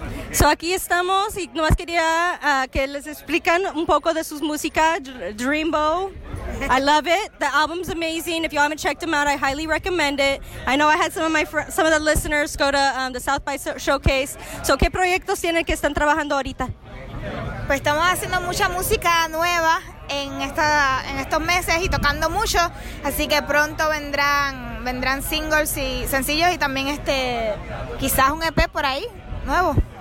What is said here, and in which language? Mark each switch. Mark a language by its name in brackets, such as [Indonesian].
[Spanish] So aquí estamos y nomás quería que les explican un poco de sus música, Dreambow. [English] I love it. The album's amazing. If you haven't checked them out, I highly recommend it. I know I had some of the listeners go to the South by Showcase. [Spanish] So ¿qué proyectos tienen que están trabajando ahorita? Pues estamos haciendo mucha música nueva en estos meses y tocando mucho. Así que pronto vendrán singles y sencillos y también quizás un EP por ahí, nuevo.